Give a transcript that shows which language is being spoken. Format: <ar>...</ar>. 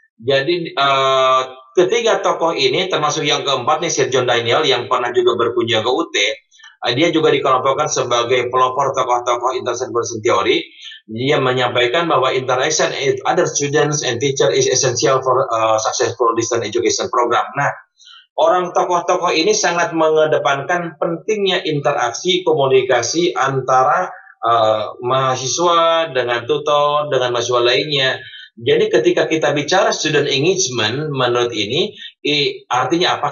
<id>Jadi ketiga tokoh ini termasuk yang keempat nih, Sir John Daniel yang pernah juga berkunjung ke UT, dia juga dikelompokkan sebagai pelopor tokoh-tokoh interaction theory. Dia menyampaikan bahwa</id> <en>interaction with other students and teacher is essential for successful distance education program.</en> <id>Nah, orang tokoh-tokoh ini sangat mengedepankan pentingnya interaksi, komunikasi antara mahasiswa dengan tutor, dengan mahasiswa lainnya. Jadi ketika kita bicara student engagement menurut ini, artinya apa?</id>